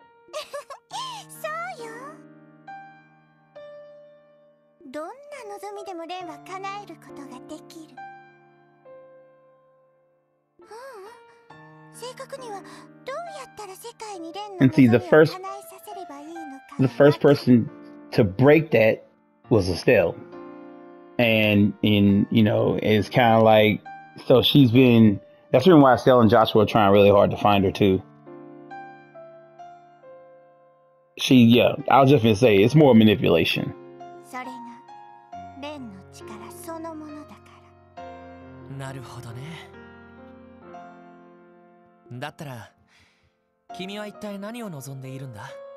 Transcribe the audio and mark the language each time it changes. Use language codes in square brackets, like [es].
[ja] そうよ。どんな望みでもレンは叶えることができる。うん。正確にはどうやったら世界にレンの望みを叶えさせればいいのか。 [en] The first person to break that was Estelle. And, you know, it's kind of like, so she's been, that's even why Estelle and Joshua are trying really hard to find her, too. She, yeah, I'll just say, it's more manipulation. [ja] それが、レンの力そのものだから。なるほどね。だったら、君は一体何を望んでいるんだ？